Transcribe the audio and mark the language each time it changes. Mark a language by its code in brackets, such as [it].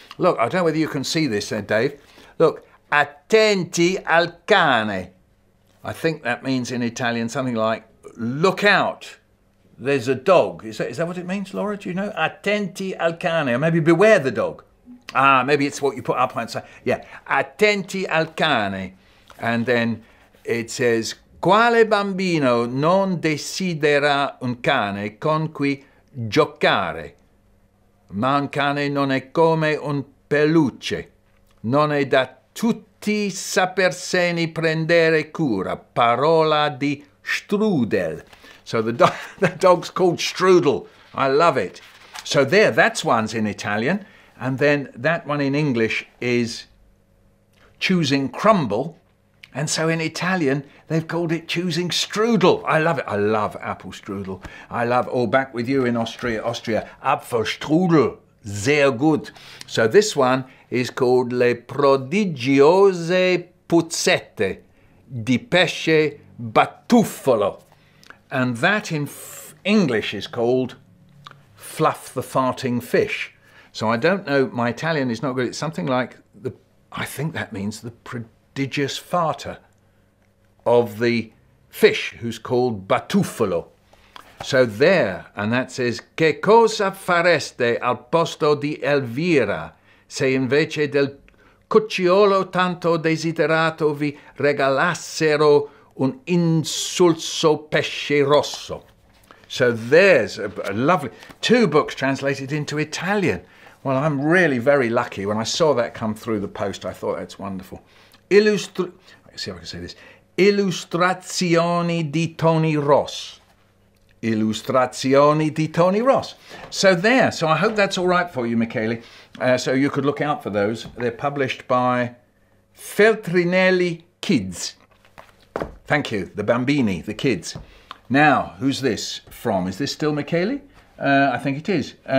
[en] Look, I don't know whether you can see this, said Dave. Look, [it] attenti al cane. [en] I think that means in Italian something like, look out, there's a dog. Is that what it means, Laura? Do you know? [it] Attenti al cane. [en] Or maybe beware the dog. Ah, maybe it's what you put up on. [it] Yeah, attenti al cane. And then it says, quale bambino non desidera un cane con cui giocare? Ma un cane non è come un peluche. Non è da tutti saperseni prendere cura. Parola di strudel. [en] So the dog's called strudel. I love it. So there, that's one's in Italian. And then that one in English is choosing crumble. And so in Italian, they've called it choosing strudel. I love it. I love apple strudel. I love, all back with you in Austria, Apfelstrudel. [de] Sehr gut. [en] So this one is called Le prodigiose puzzette di pesce batuffolo. And that in English is called Fluff the Farting Fish. So I don't know, my Italian is not good. It's something like, I think that means the prodigious farter of the fish, who's called batuffolo. [it] So there, and that says, che cosa fareste al posto di Elvira se invece del cucciolo tanto desiderato vi regalassero un insulso pesce rosso? [en] So there's a lovely, two books translated into Italian. Well, I'm really very lucky. When I saw that come through the post, I thought that's wonderful. Let's see if I can say this. [it] Illustrazioni di Tony Ross. Illustrazioni di Tony Ross. [en] So there. So I hope that's all right for you, Michele. So you could look out for those. They're published by Feltrinelli Kids. Thank you. The Bambini, the kids. Now, who's this from? Is this still Michele? I think it is.